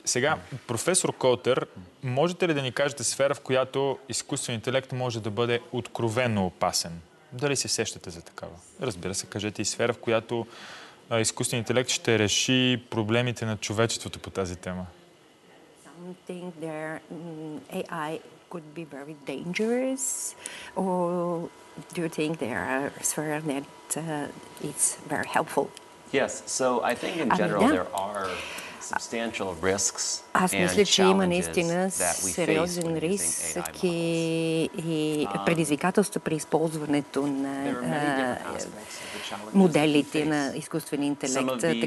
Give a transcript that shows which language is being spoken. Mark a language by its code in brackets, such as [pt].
[bg] Сега, професор Коутър, можете ли да ни кажете сфера, в която изкуствен интелект може да бъде откровенно опасен? Дали се сещате за такава? Разбира се, кажете и сфера, в която изкуственият интелект ще реши проблемите на човечеството по тази тема. [en] Something there AI could be very dangerous, or do you think there are sphere that it's very helpful? Yes, so I think in general there are substantial risks. [bg] Аз мисля, че има наистина сериозен риск и предизвикателство при използването на моделите на изкуствен интелект.